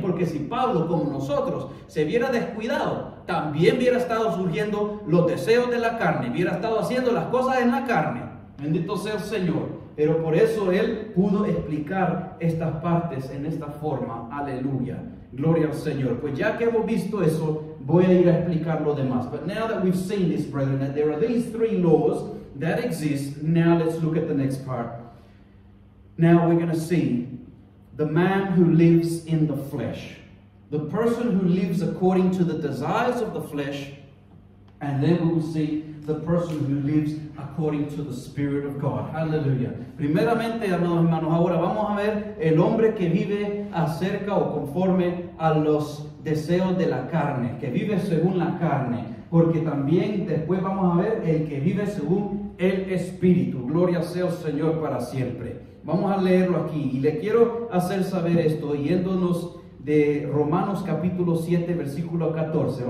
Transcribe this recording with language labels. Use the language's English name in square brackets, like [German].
[Spanish] Porque si Pablo, como nosotros, se hubiera descuidado, también hubiera estado surgiendo los deseos de la carne, hubiera estado haciendo las cosas en la carne. Bendito sea el Señor. Pero por eso él pudo explicar estas partes en esta forma. Aleluya. Gloria al Señor. Pues ya que hemos visto eso, voy a ir a explicar lo demás. [English] But now that we've seen this, brethren, that there are these three laws that exist, now let's look at the next part. Now we're going to see the man who lives in the flesh. The person who lives according to the desires of the flesh, and then we will see the person who lives according to the Spirit of God. Hallelujah. [Spanish] Primeramente, amados hermanos, ahora vamos a ver el hombre que vive acerca o conforme a los deseos de la carne, que vive según la carne, porque también después vamos a ver el que vive según el Espíritu. Gloria sea al Señor para siempre. Vamos a leerlo aquí y le quiero hacer saber esto yéndonos de Romanos capítulo 7, versículo 14.